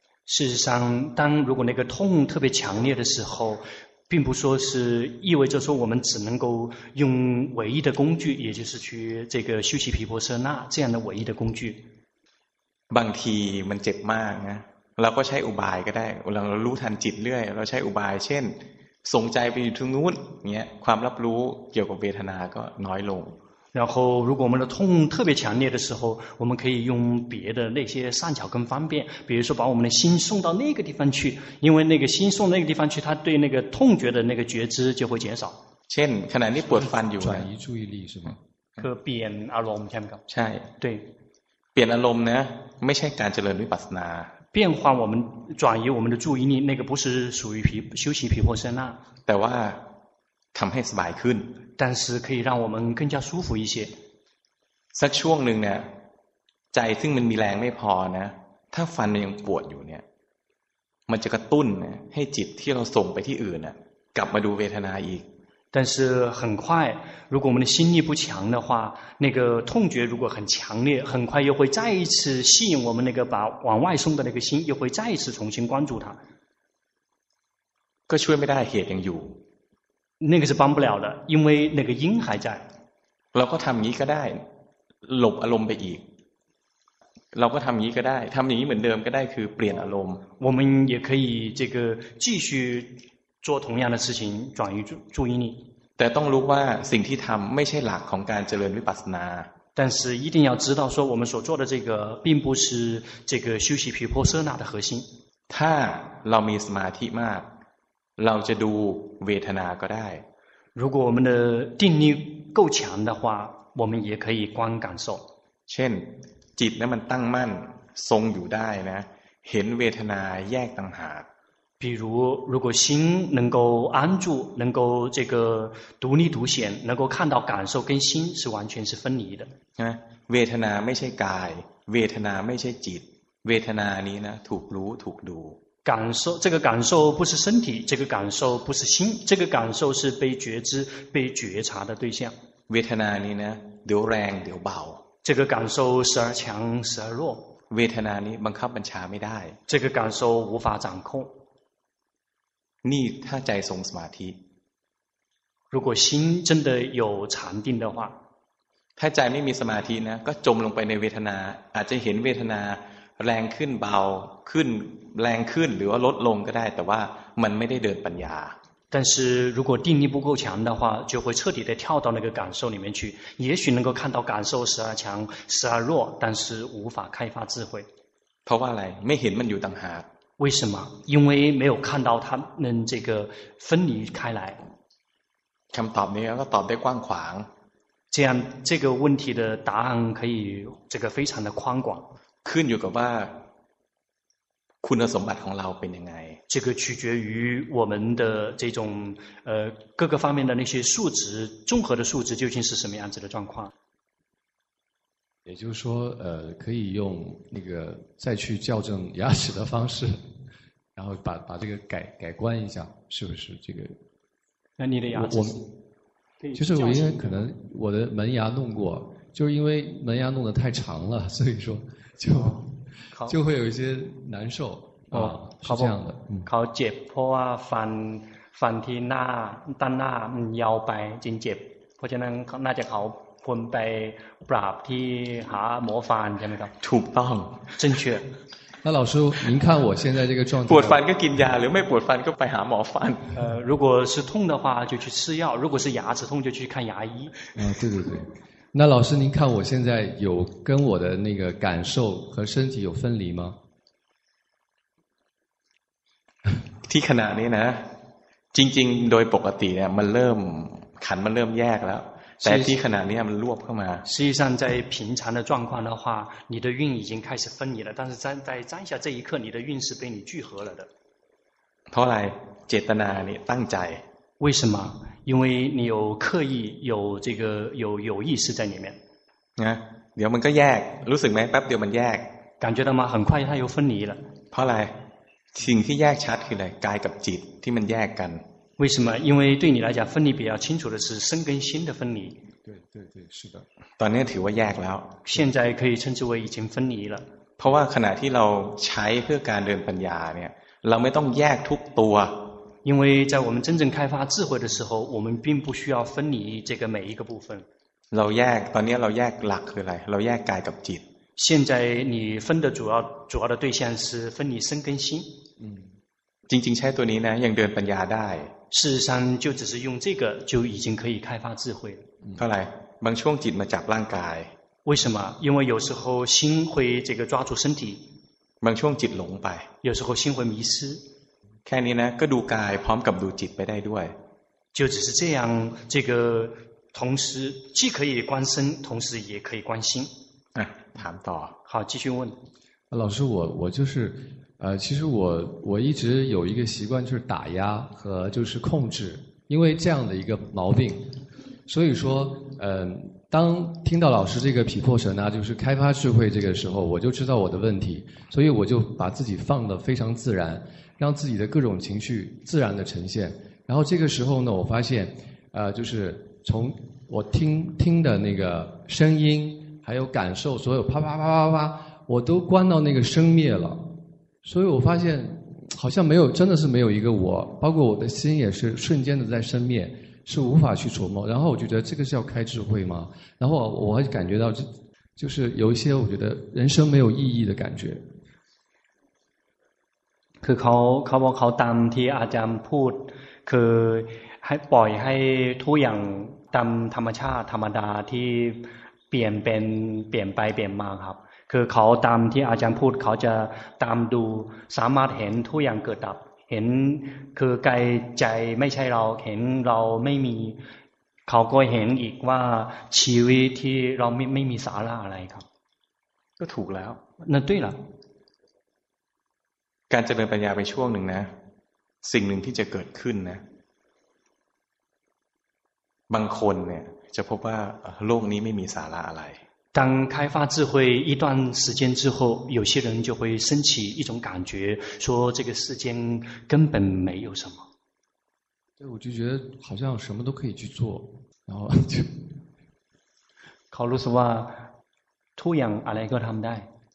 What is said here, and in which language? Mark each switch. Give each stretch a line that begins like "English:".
Chinese: 事实上，当如果那个痛特别强烈的时候，并不说是意味着说我们只能够用唯一的工具，也就是去这个修习毗婆舍那这样的唯一的工具。
Thai: บางทีมันเจ็บมากนะเราก็ใช้อุบายก็ได้เรารู้ทันจิตเรื่อยเราใช้อุบายเช่นส่งใจไปอยู่ทางนู้นเงี้ยความรับรู้เกี่ยวกับเวทนาก็น้อยลง
Chinese: 然后如果我们的痛特别强烈的时候我们可以用别的那些善巧跟方便比如说把我们的心送到那个地方去因为那个心送那个地方去它对那个痛觉的那个觉知就会减少像可能你不会翻译转移注意力是吗可变阿罗姆听不懂是对变阿罗姆呢没像感觉了你把它拿变化我们转移我们的注意力那个不是属于修习毗婆舍那但是
Thai: ทำให้สบายขึ้น
Chinese: 但是可以让我们更加舒服一些
Thai: สักช่วงหนึ่งเนี่ยใจซึ่งมันมีแรงไม่พอนะถ้าฟันยังปวดอยู่เนี่ยมันจะกระตุ้นให้จิตที่เราส่งไปที่อื่นกลับมาดูเวทนาอีก
Chinese: 但是很快如果我们的心力不强的话那个痛觉如果很强烈很快又会再一次吸引我们那个把往外送的那个心又会再一次重新关注它
Thai: ก็ช่วยไม่ได้เหตุยังอยู่
Chinese: 那个是帮不了的因为那个因还在
Thai: เราก็ทำอย่างนี้ก็ได้หลบอารมณ์ไปอีกเราก็ทำอย่างนี้ก็ได้ทำอย่างนี้เหมือนเดิมก็ได้คือเปลี่ยนอารมณ์
Chinese: 我们也可以这个继续做同样的事情转移注意力
Thai: แต่ต้องรู้ว่าสิ่งที่ทำไม่ใช่หลักของการเจริญวิปัสสนา
Chinese: 但是一定要知道说我们所做的这个并不是这个修习毗婆舍那的核心
Thai: ถ้าเรามีสมาธิมากเราจะดูเวทนาก็ได้
Chinese: 如果我们的定力够强的话我们也可以观感受
Thai: เช่นจิตนั้นมันตั้งมั่นทรงอยู่ได้นะเห็นเวทนาแยกต่างหาก
Chinese: 比如如果心能够安住能够这个独立独显能够看到感受跟心是完全是分离的
Thai: เวทนาไม่ใช่กายเวทนาไม่ใช่จิตเวทนานี้นะถูกรู้ถูกดู
Chinese: 感受这个感受不是身体这个感受不是心这个感受是被觉知被觉察的对象
Thai: เวทนานี้นะเดี๋ยวแรงเดี๋ยวเบา
Chinese: 这个感受时而强时而弱
Thai: เวทนานี้บังคับบัญชาไม่ได้
Chinese: 这个感受无法掌控
Thai: นี่ถ้าใจทรงสมาธิ
Chinese: 如果心真的有禅定的话
Thai: ถ้าใจไม่มีสมาธินะก็จมลงไปในเวทนาอาจจะเห็นเวทนาแรงขึ้นเบาขึ้นแรงขึ้นหรือว่าลดลงก็ได้แต่ว่ามันไม่ได้เดินปัญญา
Chinese: 但是如果定力不够强的话就会彻底的跳到那个感受里面去也许能够看到感受时而强时而弱但是无法开发智慧
Thai: เพราะว่าอะไรไม่เห็นมันอยู่ต่างหาก
Chinese: 为什么因为没有看到他们这个分离开来
Thai: คำตอบนี้ก็ตอบได้กว้างขวาง
Chinese: 这样这个问题的答案可以这个非常的宽广
Thai: ขึ้นอยู่กับว่าคุณสมบัติของเราเป็นยังไง
Chinese: 这个取决于我们的这种各个方面的那些数值综合的数值究竟是什么样子的状况也就是说可以用那个再去校正牙齿的方式然后把这个改观一下是不是这个那你的牙齿是就是我因为可能我的门牙弄过就是因为门牙弄得太长了所以说就会有一些难受啊、是这样的
Thai: เขาเจ็บเพราะว่าฟันที่หน้าด้านหน้ามันยาวไปจริงเจ็บเพราะฉะนั้นน่าจะเขาควรไปปราบที่หาหมอฟันใช่ไหมครับ ถูกต้อง
Chinese: 正确那老师您看我现在这个状态
Thai: ปวดฟันก็กินยาหรือไม่ปวดฟันก็ไปหาหมอฟัน
Chinese: 如果是痛的话就去吃药如果是牙齿痛就去看牙医对对对那老师您看我现在有跟我的那个感受和身体有分离吗
Thai: ที่ขณะนี้นะจริงๆโดยปกติเนี่ยมันเริ่มขันมันเริ่มแยกแล้วแต่ที่ขณะนี้มันรวบเข้ามา
Chinese: 事实上在平常的状况的话你的运已经开始分离了但是在当下这一刻你的运是被你聚合了的
Thai: เพราะอะไรเจตนาเนี่ยตั้งใจ
Chinese: 为什么因为你有刻意有这个有意识在里面
Thai: นะเดี๋ยวมันก็แยกรู้สึกไหมแป๊บเดียวมันแยก
Chinese: 感觉到吗很快它又分离了
Thai: เพราะอะไรสิ่งที่แยกชัดคืออะไรกายกับจิตที่มันแยกกัน
Chinese: 为什么因为对你来讲分离比较清楚的是身跟心的分离对对对是的
Thai: ตอนนี้ถือว่าแยกแล้ว
Chinese: 现在可以称之为已经分离了
Thai: เพราะว่าขณะที่เราใช้เพื่อการเดินปัญญาเนี่ยเราไม่ต้องแยกทุกตัว
Chinese: 因为在我们真正开发智慧的时候我们并不需要分离这个每一个部分
Thai: เราแยกตอนนี้เราแยกหลักคืออะไรเราแยกกายกับจิต
Chinese: 现在你分的主要的对象是分离身跟心
Thai: จริงๆใช้ตัวนี้นะยังเดินปัญญาได้
Chinese: 事实上就只是用这个就已经可以开发智慧
Thai: เท่าไหร่บางช่วงจิตมาจับร่างกาย
Chinese: 为什么因为有时候心会这个抓住身体
Thai: บางช่วงจิตหลงไป
Chinese: 有时候心会迷失
Thai: แค่นี้นะก็ดูกายพร้อมกับดูจิตไปได้ด้วย
Chinese: 就只是这样这个同时既可以观身同时也可以观心
Thai: ถามต่อ
Chinese: 好继续问老师我就是其实我一直有一个习惯就是打压和就是控制因为这样的一个毛病所以说当听到老师这个毗婆舍那就是开发智慧这个时候我就知道我的问题所以我就把自己放得非常自然让自己的各种情绪自然的呈现然后这个时候呢我发现就是从我听的那个声音还有感受所有啪啪啪啪啪我都关到那个生灭了所以我发现好像没有真的是没有一个我包括我的心也是瞬间的在生灭是无法去琢磨然后我就觉得这个是要开智慧吗然后我还感觉到就是有一些我觉得人生没有意义的感觉
Thai: คือเขาบอกเขาตามที่อาจารย์พูดคือให้ปล่อยให้ทุกอย่างตามธรรมชาติธรรมดาที่เปลี่ยนไปเปลี่ยนมาครับคือเขาตามที่อาจารย์พูดเขาจะตามดูสามารถเห็นทุกอย่างเกิดดับเห็นคือกายใจไม่ใช่เราเห็นเราไม่มีเขาก็เห็นอีกว่าชีวิตที่เราไม่มีสาระอะไรครับ ก็ถูกแล้ว นั่นด้วยล่ะ การเจริญปัญญาไปช่วงหนึ่งนะสิ่งหนึ่งที่จะเกิดขึ้นนะบางคนเนี่ยจะพบว่าโลกนี้ไม่มีสาระอะไร
Chinese: 当开发智慧一段时间之后有些人就会升起一种感觉说这个世间根本没有什么对我就觉得好像什么都可以去做然后就考虑什么突然阿莱哥他们带